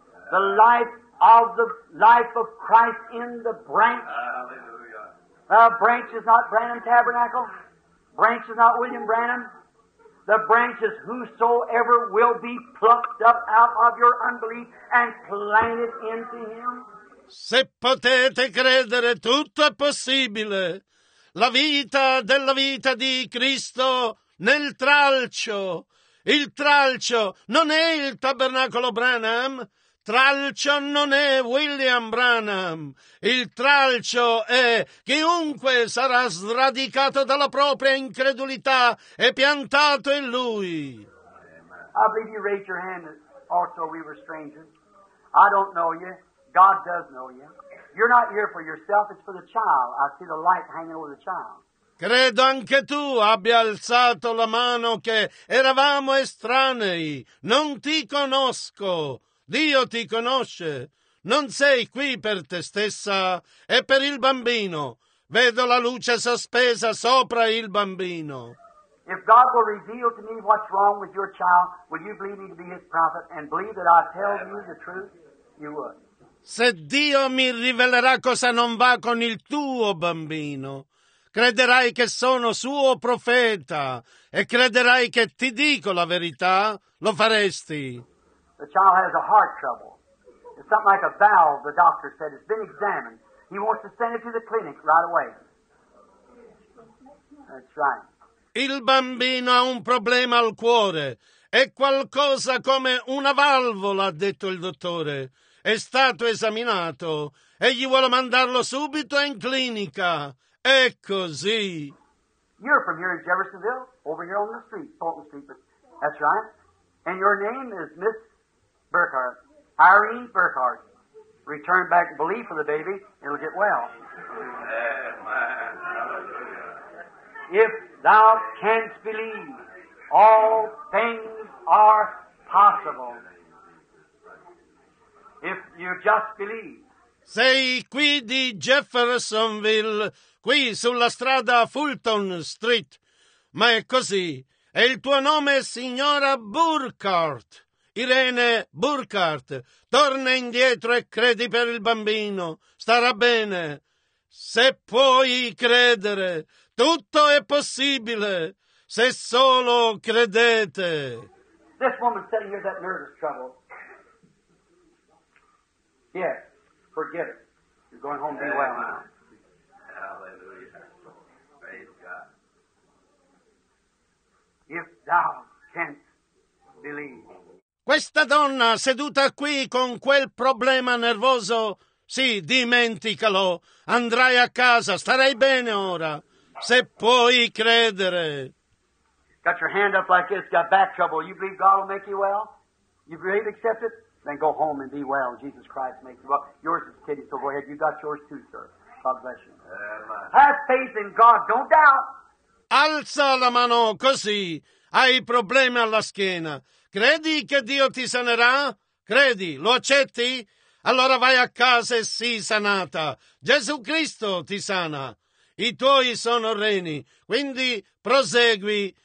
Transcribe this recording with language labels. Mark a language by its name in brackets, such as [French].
[English] The life of the life of Christ in the branch. Hallelujah. The branch is not Branham Tabernacle. Branch is not William Branham. The branch is whosoever will be plucked up out of your unbelief and planted into him. [Italian] Se potete credere, tutto è possibile. La vita della vita di Cristo. Nel tralcio, il tralcio non è il tabernacolo Branham, tralcio non è William Branham, il tralcio è chiunque sarà sradicato dalla propria incredulità e piantato in lui. [English] I believe you raised your hand also we were strangers. I don't know you, God does know you. You're not here for yourself, it's for the child. I see the light hanging over the child. [Italian] Credo anche tu abbia alzato la mano che eravamo estranei. Non ti conosco. Dio ti conosce. Non sei qui per te stessa e per il bambino. Vedo la luce sospesa sopra il bambino. [English] If God will reveal to me what's wrong with your child, would you believe me to be his prophet and believe that I tell you the truth? You would. [Italian] Se Dio mi rivelerà cosa non va con il tuo bambino, crederai che sono suo profeta e crederai che ti dico la verità, lo faresti. [English] The child has a heart trouble. It's something like a valve, the doctor said. It's been examined. He wants to send it to the clinic right away. That's right. [Italian] Il bambino ha un problema al cuore. È qualcosa come una valvola, ha detto il dottore. È stato esaminato e gli vuole mandarlo subito in clinica. È così. [English] You're from here in Jeffersonville, over here on the street, Fulton Street. But that's right. And your name is Miss Burkhardt, Irene Burkhardt. Return back and believe for the baby, it'll get well. If thou canst believe, all things are possible. If you just believe. [Italian] Sei qui di Jeffersonville, qui sulla strada Fulton Street. Ma è così. E il tuo nome è signora Burkhardt. Irene Burkhardt. Torna indietro e credi per il bambino. Starà bene. Se puoi credere, tutto è possibile. Se solo credete. [English] This woman sitting here, that nervous trouble. Yes. Yeah. Forget it. You're going home to be well now. Hallelujah. Praise God. If thou canst believe. [Italian] Questa donna seduta qui con quel problema nervoso, sì, dimenticalo, andrai a casa, starai bene ora, se puoi credere. [English] Got your hand up like this, got back trouble, you believe God will make you well? You believe, accept it? Then go home and be well, Jesus Christ makes you well. Yours is kidding, so go ahead, you got yours too, sir. God bless you. Have faith in God, don't doubt. [Italian] Alza la mano così, hai problemi alla schiena. Credi che Dio ti sanerà? Credi, lo accetti? Allora vai a casa e sii sanata. Gesù Cristo ti sana. I tuoi sono reni, quindi prosegui.